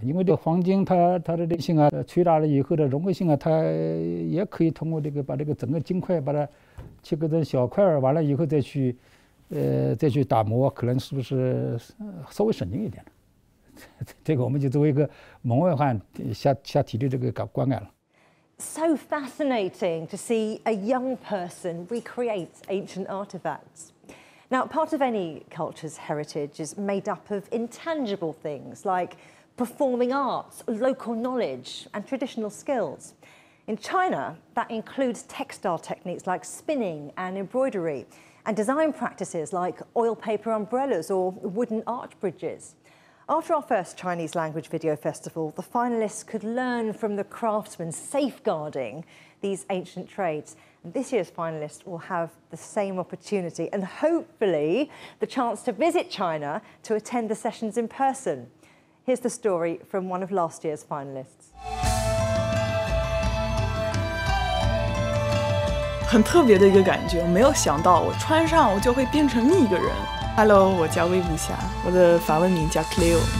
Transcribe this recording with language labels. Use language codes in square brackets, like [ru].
[zh] 因为这黄金它的韧性啊，锤打了以后的融合性啊，它也可以通过这个把这个整个金块把它切割成小块，完了以后再去打磨，可能是不是稍微省劲一点呢？这个我们就作为一个门外汉下体力这个观感了。 [en] So fascinating to see a young person recreate ancient artifacts. Now, part of any culture's heritage is made up of intangible things like performing arts, local knowledge, and traditional skills. In China, that includes textile techniques like spinning and embroidery, and design practices like oil paper umbrellas or wooden arch bridges. After our first Chinese language video festival, the finalists could learn from the craftsmen safeguarding these ancient trades. And this year's finalists will have the same opportunity and hopefully the chance to visit China to attend the sessions in person. Here's the story from one of last year's finalists. [zh] 很特别的一个感觉，没有想到我穿上我就会变成另一个人。 Hello， 我叫魏无霞，我的法文名叫 Cleo。